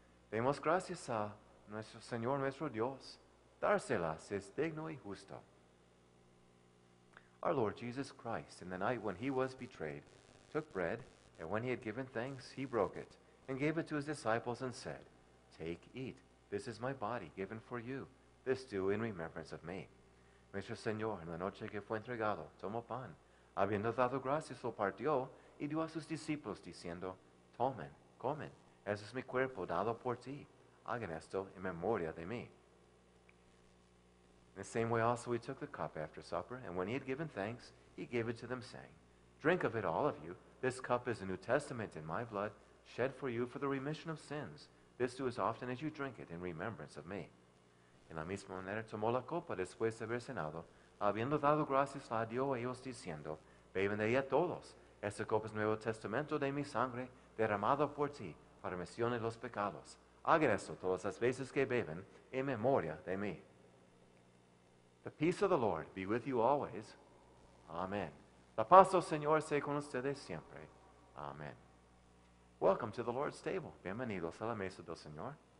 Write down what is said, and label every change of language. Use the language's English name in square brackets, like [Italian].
[Spanish] Demos gracias a nuestro Señor, nuestro Dios. Dárselas es digno y justo. [English] Our Lord Jesus Christ, in the night when He was betrayed, took bread, and when He had given thanks, He broke it, and gave it to His disciples and said, Take, eat. This is My body given for you. This do in remembrance of Me. [Spanish] Nuestro Señor, en la noche que fue entregado, tomó pan. Habiendo dado gracias, lo partió, y dio a sus discípulos, diciendo, Tomen, comen. Este es mi cuerpo dado por ti. Hagan esto en memoria de mí. [English] In the same way also He took the cup after supper, and when He had given thanks, He gave it to them, saying, Drink of it, all of you. This cup is a new testament in My blood, shed for you for the remission of sins. This do as often as you drink it in remembrance of Me. [Spanish] En la misma manera tomó la copa después de haber cenado, habiendo dado gracias a Dios a ellos diciendo, Beben de ella todos. Esta copa es nuevo testamento de mi sangre, derramado por ti, para remisión de los pecados. Hagan esto todas las veces que beben, en memoria de mí. [English] The peace of the Lord be with you always. [Spanish] Amen. La paz del Señor sea con ustedes siempre. Amen. [English] Welcome to the Lord's table. [Spanish] Bienvenidos a la mesa del Señor.